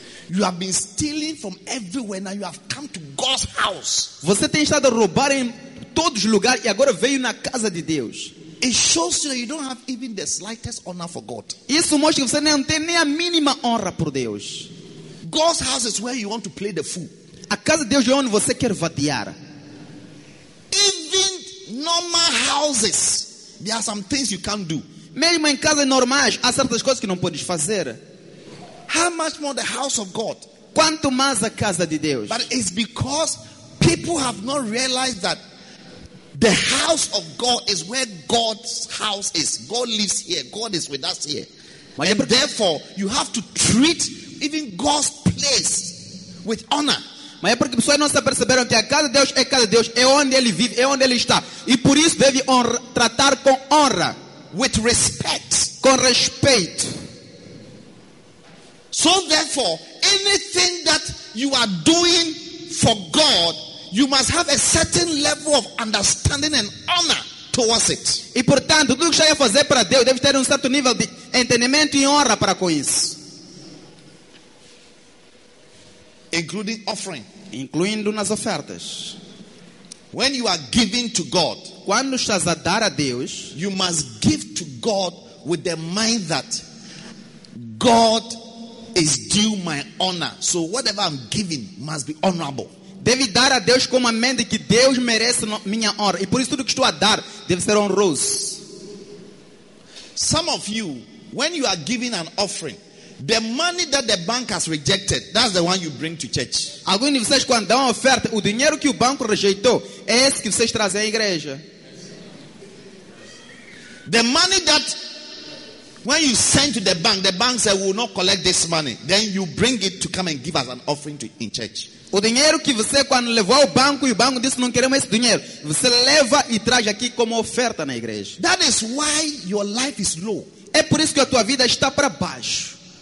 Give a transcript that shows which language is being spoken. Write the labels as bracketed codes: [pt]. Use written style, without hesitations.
[en] You have been stealing from everywhere, now you have come to God's house. [pt] Você tem estado a roubar em todos os lugares e agora veio na casa de Deus. [en] It shows you that you don't have even the slightest honor for God. [pt] Isso mostra que você não tem nem a mínima honra por Deus. [en] God's house is where you want to play the fool. [pt] A casa de Deus é onde você quer vadiar. [en] Even normal houses, there are some things you can't do. [pt] Mesmo em casas normais, há certas coisas que não podes fazer. [en] How much more the house of God? [pt] Quanto mais a casa de Deus? [en] But it's because people have not realized that the house of God is where God's house is. God lives here. God is with us here. And therefore, you have to treat even God's place with honor. [pt] Mas é porque as pessoas não se aperceberam que a casa de Deus é casa de Deus, é onde Ele vive, é onde Ele está. E por isso deve honra, tratar com honra. [en] With respect. [pt] Com respeito. [en] So therefore, anything that you are doing for God, you must have a certain level of understanding and honor towards it. [pt] E portanto, tudo o que você vai fazer para Deus deve ter certo nível de entendimento e honra para com isso. [en] Including offering. [pt] Incluindo nas ofertas. [en] When you are giving to God, [pt] quando estás a dar a Deus, [en] you must give to God with the mind that God is due my honor. So whatever I'm giving must be honorable. [pt] Deve dar a Deus com a mente que Deus merece minha honra. E por isso tudo que estou a dar deve ser honroso. [en] Some of you, when you are giving an offering, The money that the bank has rejected, that's the one you bring to church. [pt] Alguém de vocês, quando dá uma oferta, o dinheiro que o banco rejeitou, é esse que vocês trazem à igreja. [en] The money that, when you send to the bank said, we will not collect this money. Then you bring it to come and give us an offering to, in church. [pt] O dinheiro que você, quando levou ao banco, e o banco disse, não queremos esse dinheiro. Você leva e traz aqui como oferta na igreja. [en] That is why your life is low. [pt] É por isso que a tua vida está para baixo.